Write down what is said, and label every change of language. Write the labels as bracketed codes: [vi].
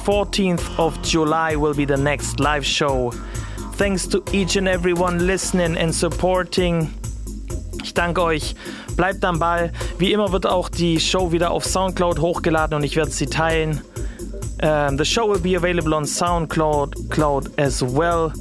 [en] 14th of July will be the next live show. Thanks to each and everyone listening and supporting. [de] Ich danke euch. Bleibt am Ball. Wie immer wird auch die Show wieder auf SoundCloud hochgeladen und ich werde sie teilen. [en] The show will be available on SoundCloud as well.